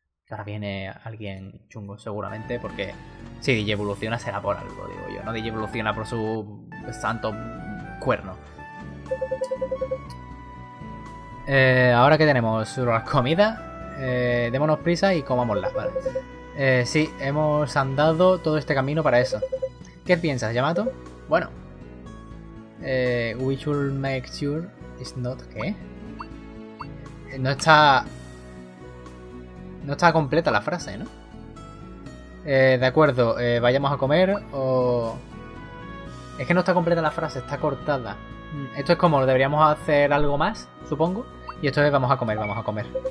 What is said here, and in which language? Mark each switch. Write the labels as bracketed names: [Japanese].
[Spanish] Ahora viene alguien chungo, seguramente, porque si DJ evoluciona será por algo, digo yo. No DJ evoluciona por su santo cuerno. Ahora que tenemos la comida, démonos prisa y comámosla, ¿vale? Sí, hemos andado todo este camino para eso. ¿Qué piensas, Yamato? Bueno. [English] We should make sure it's not. [Spanish] ¿Qué? No está completa la frase, ¿no? De acuerdo, vayamos a comer o. Es que no está completa la frase, está cortada. Esto es como, deberíamos hacer algo más, supongo. Y esto es, vamos a comer, vamos a comer.